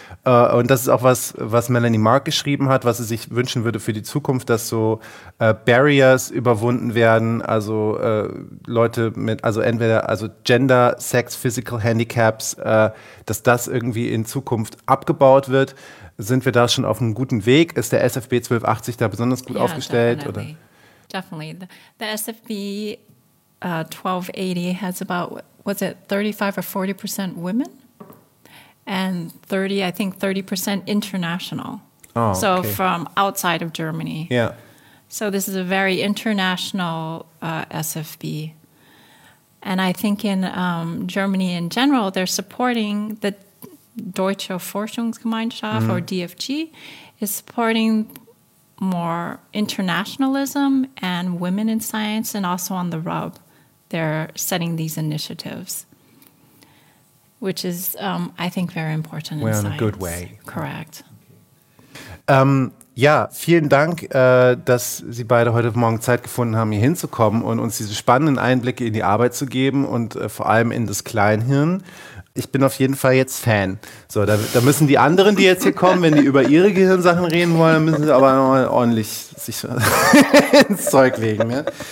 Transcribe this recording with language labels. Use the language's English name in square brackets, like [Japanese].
[German] Und das ist auch was, was Melanie Mark geschrieben hat, was sie sich wünschen würde für die Zukunft, dass so Barriers überwunden werden, also Leute mit, also entweder, also [English] Gender, Sex, Physical Handicaps, [German] dass das irgendwie in Zukunft abgebaut wird. Sind wir da schon auf einem guten Weg? Ist der SFB 1280 da besonders gut aufgestellt? Oder? [English] Definitely. The SFB 1280 has about, was it 35 or 40% women? And 30% international. Oh, okay. So from outside of Germany. Yeah. So this is a very international SFB. And I think in Germany in general, they're supporting the Deutsche Forschungsgemeinschaft, or DFG, is supporting more internationalism and women in science, and also on the RUB, they're setting these initiatives, which is, I think, very important. We're in science. In a good way. Correct. [German] Ja, vielen Dank, dass Sie beide heute Morgen Zeit gefunden haben, hier hinzukommen und uns diese spannenden Einblicke in die Arbeit zu geben und vor allem in das Kleinhirn. Ich bin auf jeden Fall jetzt Fan. So, da müssen die anderen, die jetzt hier kommen, wenn die über ihre Gehirnsachen reden wollen, müssen sie aber noch ordentlich sich ins Zeug legen. Ja?